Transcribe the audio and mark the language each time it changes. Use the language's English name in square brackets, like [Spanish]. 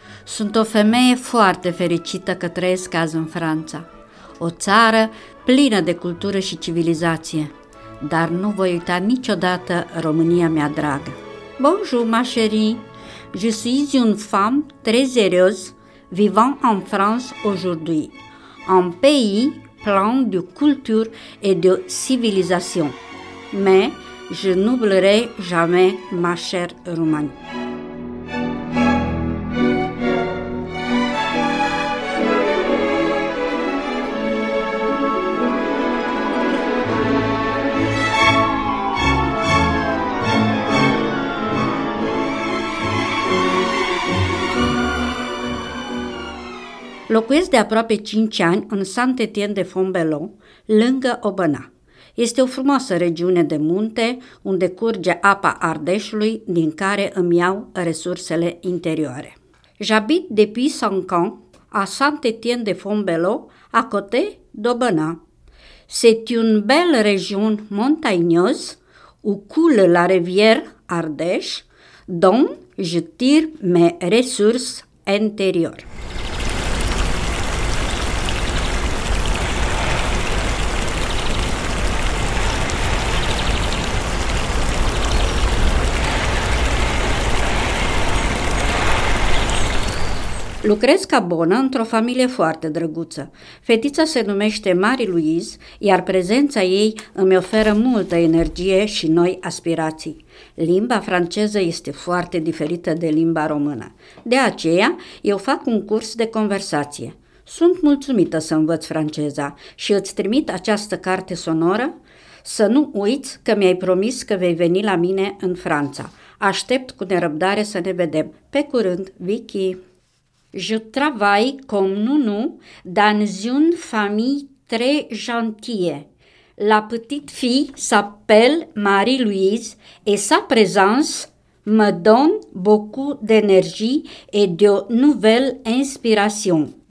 [Romanian] Sunt o femeie foarte fericită că trăiesc azi în Franța, o țară plină de cultură și civilizație, dar nu voi uita niciodată România mea dragă. [French] Bonjour, ma chérie! Je suis une femme très heureuse vivant en France aujourd'hui, un pays plein de culture et de civilisation. Mais je n'oublierai jamais ma chère Roumanie. [Romanian] Locuiesc de aproape 5 ani în Saint-Étienne-de-Fontbellon, lângă Aubenas. Este o frumoasă regiune de munte unde curge apa Ardeșului, din care îmi iau resursele interioare. [French] J'habite depuis 5 ans à Saint-Étienne-de-Fontbellon, à côté d'Aubenas. C'est une belle région montagneuse où coule la rivière Ardèche, dont je tire mes ressources intérieures. [Romanian] Lucrez ca bonă într-o familie foarte drăguță. Fetița se numește Marie-Louise, iar prezența ei îmi oferă multă energie și noi aspirații. Limba franceză este foarte diferită de limba română. De aceea, eu fac un curs de conversație. Sunt mulțumită să învăț franceza și îți trimit această carte sonoră. Să nu uiți că mi-ai promis că vei veni la mine în Franța. Aștept cu nerăbdare să ne vedem. Pe curând, Vicky! [French] Je travaille comme nounou dans une famille très gentille. La petite fille s'appelle Marie-Louise et sa présence me donne beaucoup d'énergie et de nouvelles inspirations.